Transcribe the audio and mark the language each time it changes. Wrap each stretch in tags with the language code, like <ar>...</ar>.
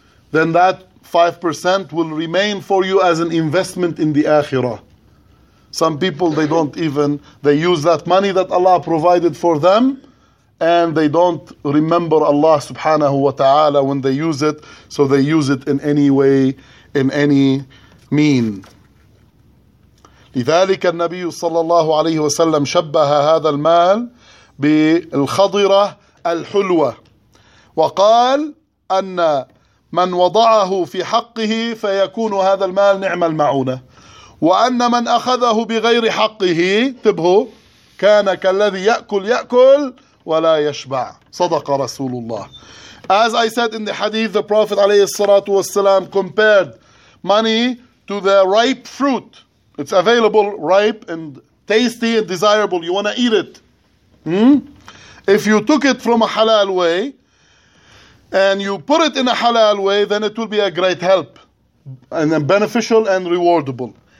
<en>Then that 5% will remain for you as an investment in the akhirah. Some people, they don't even, they use that money that Allah provided for them, and they don't remember Allah subhanahu wa ta'ala when they use it, so they use it in any way, in any mean.</en> <ar>لذلك النبي صلى الله عليه وسلم شبه هذا المال بالخضرة الحلوة وقال أن من وضعه في حقه فيكون هذا المال نعم المعونة وأن من أخذه بغير حقه تبهو كان كالذي يأكل يأكل ولا يشبع صدق رسول الله.</ar> <en>As I said in the hadith, the Prophet</en> <ar>عليه الصلاة والسلام</ar> <en>compared money to the ripe fruit. It's available, ripe, and tasty, and desirable. You want to eat it. If you took it from a halal way, and you put it in a halal way, then it will be a great help, and beneficial and rewardable.</en>